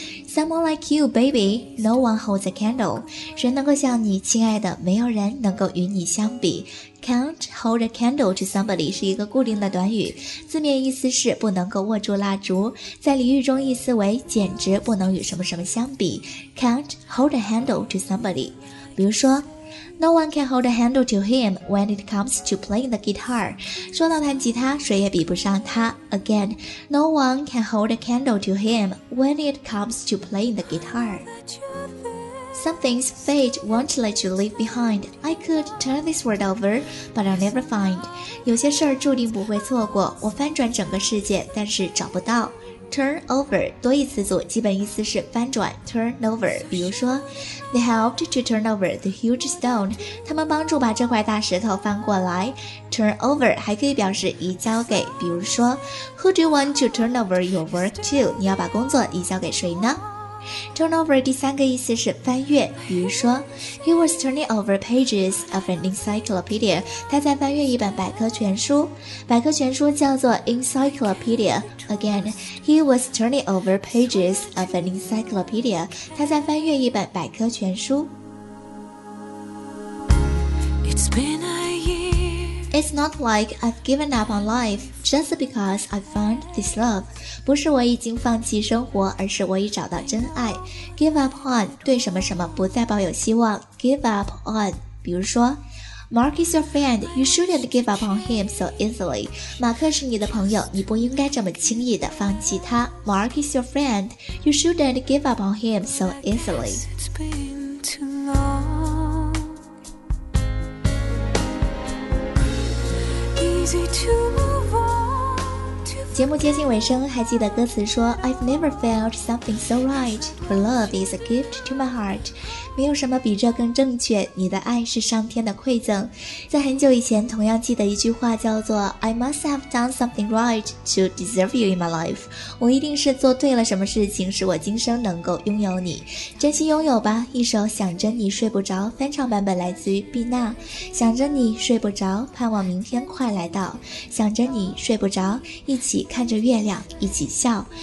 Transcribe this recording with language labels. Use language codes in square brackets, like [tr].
[en] Someone like you, baby No one holds a candle [zh] 谁能够像你亲爱的没有人能够与你相比 [en] Can't hold a candle to somebody [zh] 是一个固定的短语字面意思是不能够握住蜡烛在俚语中意思为简直不能与什么什么相比 [en] Can't hold a candle to somebody [zh] 比如说 [en] No one can hold a handle to him when it comes to playing the guitar. [zh] 说到弹吉他，谁也比不上他。 [en] Again, no one can hold a candle to him when it comes to playing the guitar. Some things fate won't let you leave behind. I could turn this world over, but I'll never find. [zh] 有些事儿注定不会错过，我翻转整个世界，但是找不到。 [en] Turn over, [zh] 多义词组基本意思是翻转 [en] turn over, [zh] 比如说 [en] They helped to turn over the huge stone, [zh] 他们帮助把这块大石头翻过来 [en] Turn over, [zh] 还可以表示移交给比如说 [en] Who do you want to turn over your work to? [zh] 你要把工作移交给谁呢 [en] Turn over [zh] 第三个意思是翻阅比如说 [en] He was turning over pages of an encyclopedia, [zh] 他在翻阅一本百科全书百科全书叫做 encyclopedia, [en] Again, he was turning over pages of an encyclopedia. [zh] 他在翻阅一本百科全书。 [en] It's been a year. It's not like I've given up on life just because I found this love. [zh] 不是我已经放弃生活，而是我已找到真爱。 Give up on 对什么什么不再抱有希望。 [en] Give up on, [zh] 比如说。 [en] Mark is your friend, you shouldn't give up on him so easily. [zh] 马克是你的朋友，你不应该这么轻易地放弃他。 [en] Mark is your friend, you shouldn't give up on him so easily. It's been too long. Easy to move on, to [zh] 节目接近尾声，还记得歌词说 [en] I've never felt something so right, for love is a gift to my heart. [zh] 没有什么比这更正确，你的爱是上天的馈赠。在很久以前，同样记得一句话叫做 [en] I must have done something right to deserve you in my life. [zh] 我一定是做对了什么事情，使我今生能够拥有你。珍惜拥有吧，一首想着你睡不着翻唱版本，来自于碧娜。想着你睡不着，盼望明天快来到。想着你睡不着，一起看着月亮一起笑。